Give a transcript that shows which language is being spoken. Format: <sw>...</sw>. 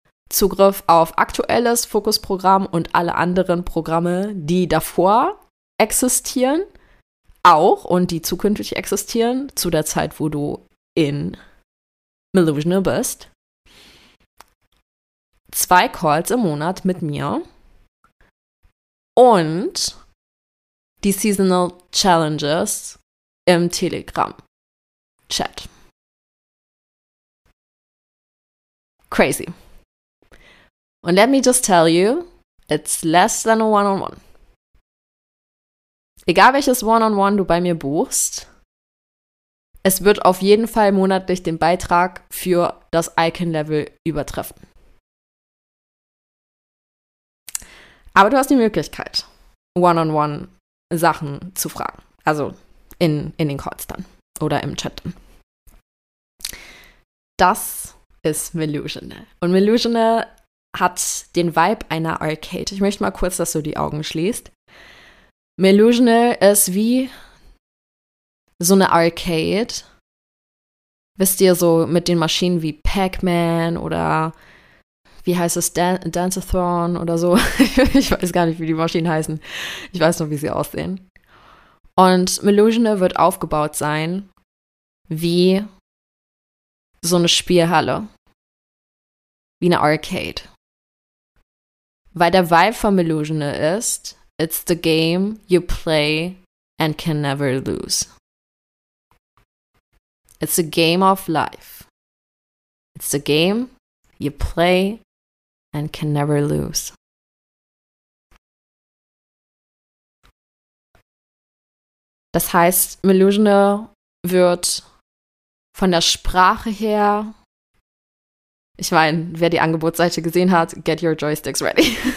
<de>Zugriff auf aktuelles Fokusprogramm und alle anderen Programme, die davor existieren, auch und die zukünftig existieren, zu der Zeit, wo du in Melusional bist. 2 Calls im Monat mit mir. Und die Seasonal Challenges im Telegram-Chat. Crazy.</de> <en>And let me just tell you, it's less than a one-on-one.</en> <de>Egal welches One-on-One du bei mir buchst, es wird auf jeden Fall monatlich den Beitrag für das Icon-Level übertreffen. Aber du hast die Möglichkeit, One-on-One Sachen zu fragen, also in den Calls dann oder im Chat. Das ist Melusional. Und Melusional hat den Vibe einer Arcade. Ich möchte mal kurz, dass du die Augen schließt. Melusional ist wie so eine Arcade. Wisst ihr, so mit den Maschinen wie Pac-Man oder wie heißt es, Dance-a-Thon oder so. Ich weiß gar nicht, wie die Maschinen heißen. Ich weiß nur, wie sie aussehen. Und Melusional wird aufgebaut sein wie so eine Spielhalle. Wie eine Arcade. Weil der Vibe von Melusional ist,</de> <en>it's the game you play and can never lose. It's a game of life. It's the game you play and can never lose.</en> <de>Das heißt, Melusional wird von der Sprache her, ich meine, wer die Angebotsseite gesehen hat,</de> <en>get your joysticks ready.</en>